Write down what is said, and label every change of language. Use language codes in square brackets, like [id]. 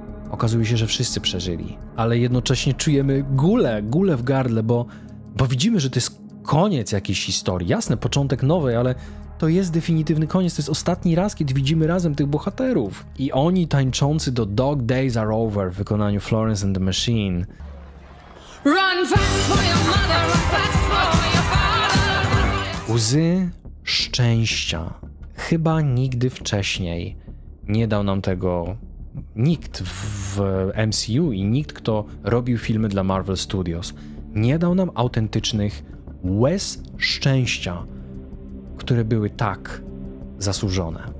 [pl] Okazuje się, że wszyscy przeżyli, ale jednocześnie czujemy gulę w gardle, bo widzimy, że to jest koniec jakiejś historii. Jasne, początek nowej, ale to jest definitywny koniec. To jest ostatni raz, kiedy widzimy razem tych bohaterów. I oni tańczący do Dog Days Are Over w wykonaniu Florence and the Machine. [en] Run fast for your mother, run fast for your father. [pl] Łzy szczęścia. Chyba nigdy wcześniej nie dał nam tego nikt w MCU i nikt, kto robił filmy dla Marvel Studios. Nie dał nam autentycznych łez szczęścia, które były tak zasłużone.